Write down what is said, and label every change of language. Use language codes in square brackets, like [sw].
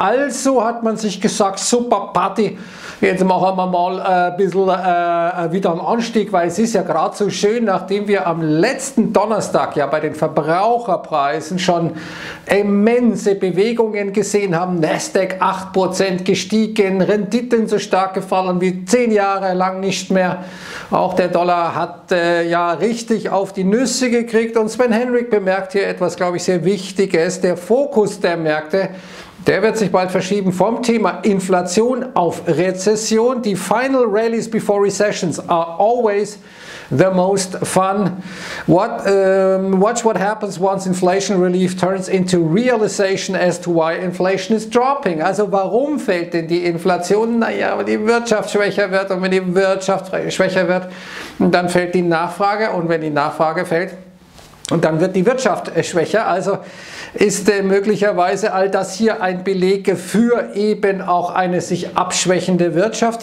[de] Also hat man sich gesagt, super Party, jetzt machen wir mal ein bisschen wieder einen Anstieg, weil es ist ja gerade so schön, nachdem wir am letzten Donnerstag ja bei den Verbraucherpreisen schon immense Bewegungen gesehen haben, Nasdaq 8% gestiegen, Renditen so stark gefallen wie 10 Jahre lang nicht mehr. Auch der Dollar hat ja richtig auf die Nüsse gekriegt und Sven Henrik bemerkt hier etwas, glaube ich, sehr Wichtiges. Der Fokus der Märkte, der wird sich bald verschieben vom Thema Inflation auf Rezession. [en] Die final rallies before recessions are always the most fun. Watch what happens once inflation relief turns into realization as to why inflation is dropping. [de] Also warum fällt denn die Inflation? Naja, wenn die Wirtschaft schwächer wird und wenn die Wirtschaft schwächer wird, dann fällt die Nachfrage und wenn die Nachfrage fällt, und dann wird die Wirtschaft schwächer. Also ist möglicherweise all das hier ein Beleg für eben auch eine sich abschwächende Wirtschaft.